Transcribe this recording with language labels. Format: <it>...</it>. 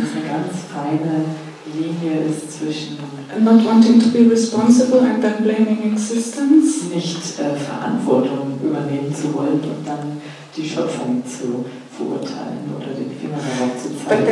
<de>Das ist eine ganz feine Linie ist zwischen</de> <en>not wanting to be responsible and then blaming existence.</en> <de>Nicht Verantwortung übernehmen zu wollen und dann die Schöpfung zu verurteilen oder den Finger darauf zu zeigen.</de>